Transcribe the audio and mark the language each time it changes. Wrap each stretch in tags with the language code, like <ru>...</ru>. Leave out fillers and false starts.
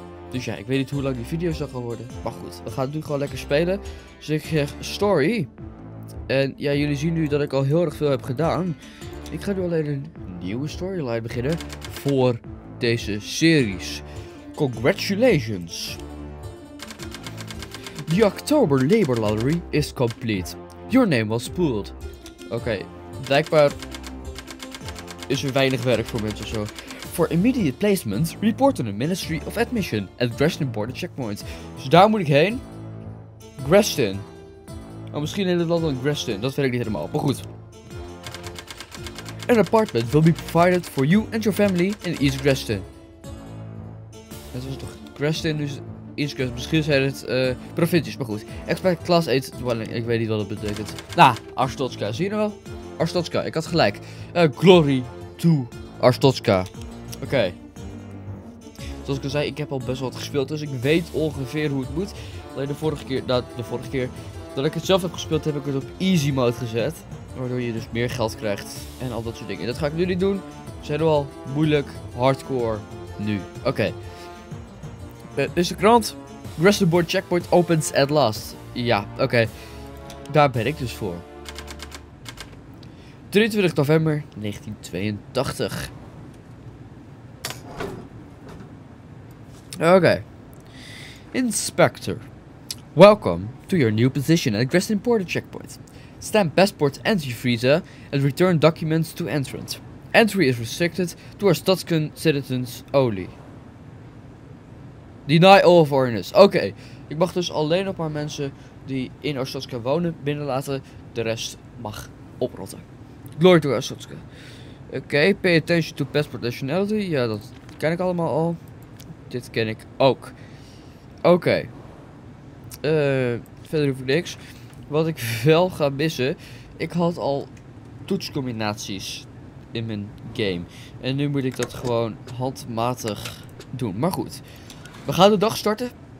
<nl>Dus ja, ik weet niet hoe lang die video's dan gaan worden. Maar goed, we gaan nu gewoon lekker spelen. Dus ik zeg story. En ja, jullie zien nu dat ik al heel erg veel heb gedaan. Ik ga nu alleen een nieuwe storyline beginnen voor deze series.</nl> <en>Congratulations! The October Labor Lottery is complete. Your name was pulled.</en> <nl>Okay, blijkbaar is er weinig werk voor mensen of zo.</nl> <en>For immediate placement, report to the Ministry of Admission at Greston Border Checkpoint.</en> <nl>Dus daar moet ik heen. Greston. Oh, misschien in het land van Greston, dat weet ik niet helemaal, maar goed.</nl> <en>An apartment will be provided for you and your family in East Greston.</en> <nl>Dat was toch Greston, dus... Misschien zijn het provincies, maar goed.</nl> <en>Expect class 8 dwelling.</en> <nl>Ik weet niet wat dat betekent. Nou, Arstotzka. Zie je nou wel? Arstotzka, ik had gelijk.</nl> <en>Glory to Arstotzka.</en> <nl>Oké. Zoals ik al zei, ik heb al best wel wat gespeeld. Dus ik weet ongeveer hoe het moet. Alleen de vorige keer dat ik het zelf heb gespeeld, heb ik het op easy mode gezet. Waardoor je dus meer geld krijgt. En al dat soort dingen. Dat ga ik nu niet doen. Zijn we al moeilijk, hardcore, nu. Oké. Is de krant.</nl> <en>Greston Border Checkpoint opens at last.</en> <nl>Ja, oké. Okay. Daar ben ik dus voor. 23 november 1982. Oké. Okay. Inspector.</nl> <en>Welcome to your new position at Greston Border Checkpoint. Stamp passport entry visa and return documents to entrance. Entry is restricted to our Arstotzkan citizens only. Deny all foreigners.</en> <nl>Oké. Ik mag dus alleen nog maar mensen die in Arstotzka wonen binnenlaten. De rest mag oprotten.</nl> <en>Glory to Arstotzka.</en> <nl>Oké.</nl> <en>Pay attention to passport nationality.</en> <nl>Ja, dat ken ik allemaal al. Dit ken ik ook. Oké. Verder hoef ik niks. Wat ik wel ga missen. Ik had al toetscombinaties in mijn game. En nu moet ik dat gewoon handmatig doen. Maar goed. We gaan de dag starten.</nl>